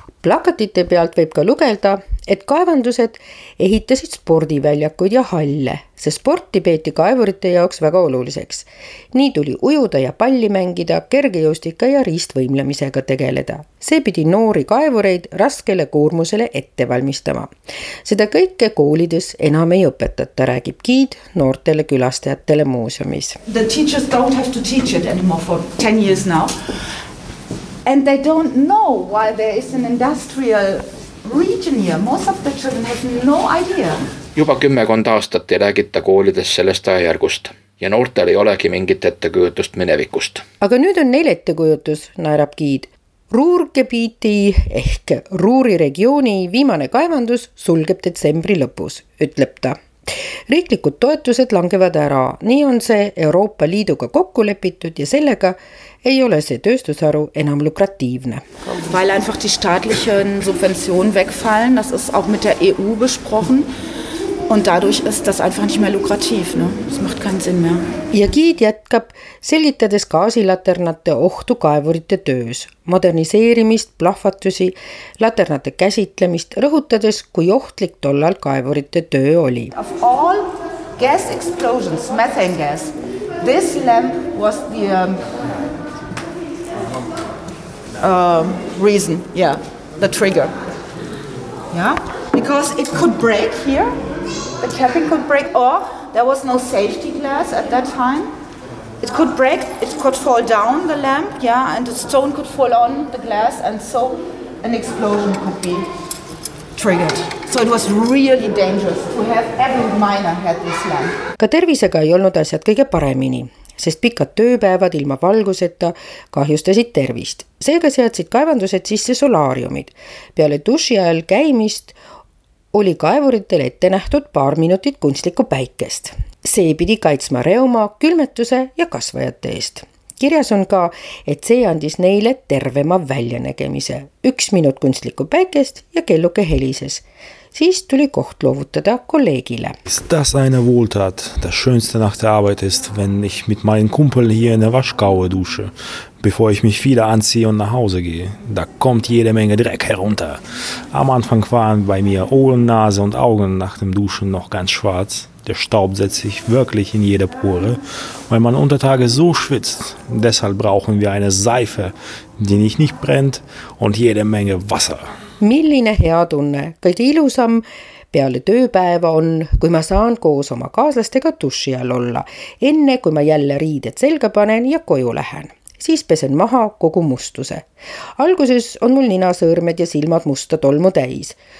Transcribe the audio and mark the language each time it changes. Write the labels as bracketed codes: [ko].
[et] Plakatite pealt võib ka lugeda, et kaevandused ehitasid spordiväljakud ja halle, sest sporti peeti kaevurite jaoks väga oluliseks. Nii tuli ujuda ja palli mängida, kergejõustika ja riistvõimlemisega tegeleda. See pidi noori kaevureid raskele koormusele ette valmistama. Seda kõike koolides enam ei õpetata, räägib giid noortele külastajatele muuseumis. [en] The teachers don't have to teach it anymore for 10 years now. And they don't know why there is an industrial region here. Most of the children have no idea. [et] Juba 10 aastat ei räägita koolides sellest ajajärgust. Ja noortel ei olegi mingit ettekujutust minevikust. Aga nüüd on neil ettekujutus, naerab giid. Ruurgebiiti ehk Ruuri regiooni viimane kaevandus sulgeb detsembri lõpus, ütleb ta. Riiklikud toetused langevad ära. Nii on see Euroopa Liiduga kokku lepitud ja sellega ei ole see tööstusharu enam lukratiivne. [de] Weil einfach die staatlichen Subventionen wegfallen, das ist auch mit der EU besprochen und dadurch ist das einfach nicht mehr lukrativ, ne? Das macht keinen Sinn mehr. [et] Ja giid jätkab, selgitades gaasilaternate ohtu kaevurite töös, moderniseerimist, plahvatusi, laternate käsitlemist, rõhutades, kui ohtlik tollal kaevurite töö oli. [en] Of all gas explosions, methane gas, this lamp was the reason, yeah, the trigger. Yeah, because it could break here, the cabin could break, or there was no safety glass at that time. It could break, it could fall down the lamp, yeah, and the stone could fall on the glass, and so an explosion could be triggered. So it was really dangerous to have every miner had this lamp. [et] Ka tervisega ei olnud asjad kõige paremini. Sest pikad tööpäevad ilma valguseta kahjustasid tervist. Seega seadsid kaevandused sisse solaariumid. Peale duši ajal käimist oli kaevuritel ette nähtud paar minutit kunstlikku päikest. See pidi kaitsma reuma, külmetuse ja kasvajate eest. Kirjas on ka, et see andis neile tervema väljanägemise. Üks minut kunstlikku päikest ja kelluke helises. Siis tuli koht loovutada kolleegile. [de] Ist das eine Wohltat? Das schönste nach der Arbeit ist, wenn ich mit meinen Kumpeln hier in der Waschgaue dusche, bevor ich mich wieder anziehe und nach Hause gehe. Da kommt jede Menge Dreck herunter. Am Anfang waren bei mir Ohren, Nase und Augen nach dem Duschen noch ganz schwarz. Der Staub setzt sich wirklich in jede Pore, weil man unter Tage so schwitzt. Deshalb brauchen wir eine Seife, die nicht brennt und jede Menge Wasser. [et] Milline hea tunne, kõige ilusam peale tööpäeva on, kui ma saan koos oma kaaslastega duši all olla, enne kui ma jälle riided selga panen ja koju lähen. Siis pesen maha kogu mustuse. Alguses on mul ninasõõrmed ja silmad musta tolmu täis.